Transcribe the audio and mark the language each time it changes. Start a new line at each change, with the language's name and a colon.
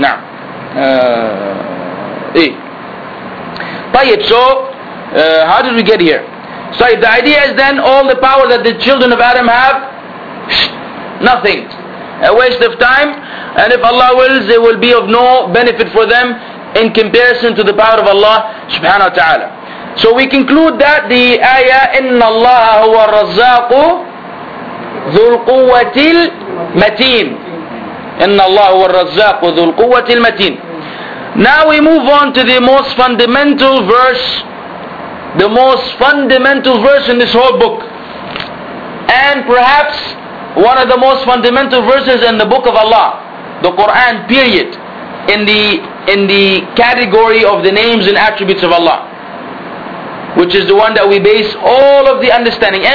English: Now, how did we get here? So the idea is then all the power that the children of Adam have, nothing. a waste of time, and if Allah wills, it will be of no benefit for them in comparison to the power of Allah subhanahu wa ta'ala. So we conclude that the ayah,
Arabic: إِنَّ اللَّهَ هُوَ الرَّزَّاقُ ذُو الْقُوَّةِ الْمَتِينَ إِنَّ اللَّهَ هُوَ الرَّزَّاقُ ذُو الْقُوَّةِ الْمَتِينَ.
English: Now we move on to the most fundamental verse, the most fundamental verse in this whole book, and perhaps one of the most fundamental verses in the book of Allah, the Quran period, in the category of the names and attributes of Allah, which is the one that we base all of the understanding.